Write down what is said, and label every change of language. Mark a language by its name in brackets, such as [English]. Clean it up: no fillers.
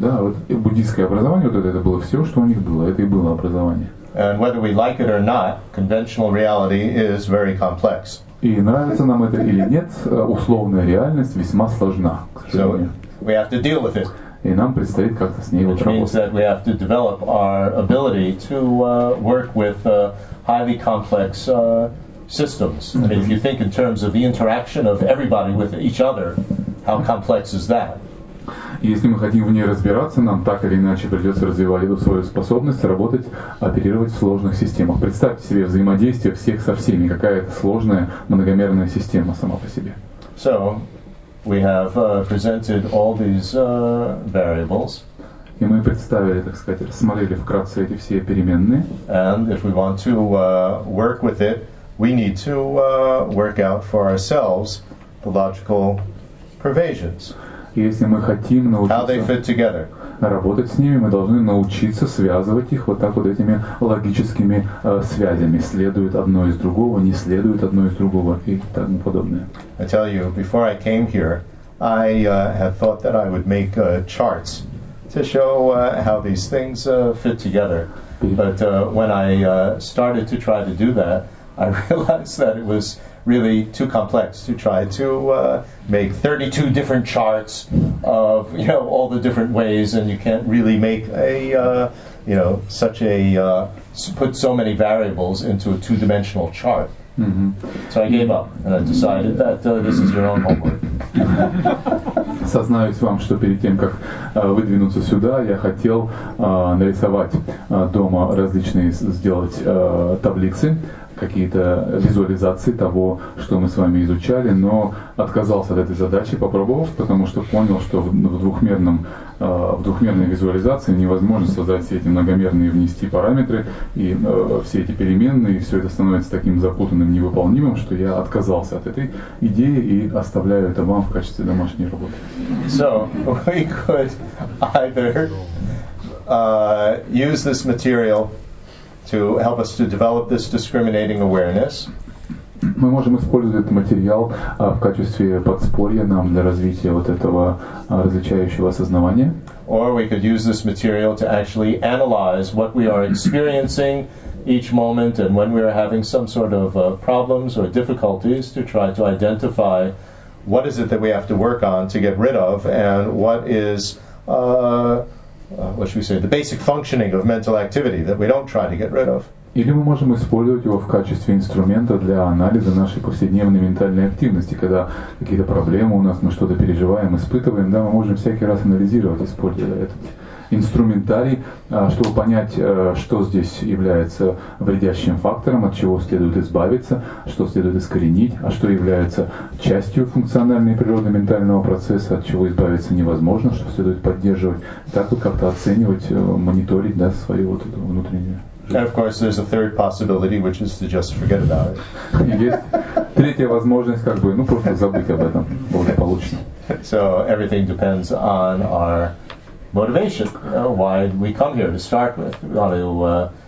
[Russian] Да, вот буддийское образование, вот это было все, что у них было, это и было образование. [English] And whether we like it or not, conventional reality is very complex. [Russian] И нравится нам это или нет, условная реальность весьма сложна, к сожалению. [English] So we have to deal with it. [Russian] И нам предстоит как-то с ней работать. [English] Which means that we have to develop our ability to work with highly complex systems. I mean, if you think in terms of the interaction of everybody with each other, how complex is that? [Russian] Если мы хотим в ней разбираться, нам так или иначе придется развивать эту свою способность работать, оперировать в сложных системах. Представьте себе взаимодействие всех со всеми, какая это сложная многомерная система сама по себе. [English] So, we have presented all these variables. [Russian] И мы представили, так сказать, рассмотрели вкратце эти все переменные. [English] And if we want to work with it, we need to work out for ourselves the logical pervasions. [Russian] Если мы хотим научиться работать с ними, мы должны научиться связывать их вот так вот этими логическими связями. Следует одно из другого, не следует одно из другого и тому подобное. [English] I tell you, before I came here, I had thought that I would make charts to show how these things fit together. But when I started to try to do that, I realized that it was really too complex to try to make 32 different charts of, you know, all the different ways, and you can't really make a, you know, such a, put so many variables into a two-dimensional chart. Mm-hmm. So I gave up, and I decided that this is your own homework. [Russian] Сознаюсь вам, что перед тем, как выдвинуться сюда, я хотел нарисовать дома различные, сделать таблицы, какие-то визуализации того, что мы с вами изучали, но отказался от этой задачи, попробовав, потому что понял, что в двухмерной визуализации невозможно создать все эти многомерные, внести параметры и все эти переменные, и все это становится таким запутанным, невыполнимым, что я отказался от этой идеи и оставляю это вам в качестве домашней работы. [English] So, we could either use this material to help us to develop this discriminating awareness. [Russian] Мы можем использовать этот материал в качестве подспорья нам для развития вот этого различающего осознавания. [English] Or we could use this material to actually analyze what we are experiencing each moment and when we are having some sort of problems or difficulties to try to identify what is it that we have to work on to get rid of and what is what should we say, the basic functioning of mental activity that we don't try to get rid of. [Russian] Или мы можем использовать его в качестве инструмента для анализа нашей повседневной ментальной активности, когда какие-то проблемы у нас, мы что-то переживаем, испытываем, да, мы можем всякий раз анализировать, используя этот инструментарий, чтобы понять, что здесь является вредящим фактором, от чего следует избавиться, что следует искоренить, а что является частью функциональной природы ментального процесса, от чего избавиться невозможно, что следует поддерживать. Так вот как-то оценивать, мониторить, да, свою вот эту внутреннюю. [English] And of course, there's a third possibility, which is to just forget about it. [Russian] Есть третья возможность, как бы, ну просто забыть об этом, уже получено. [English] So everything depends on our motivation. You know, why we come here to start with?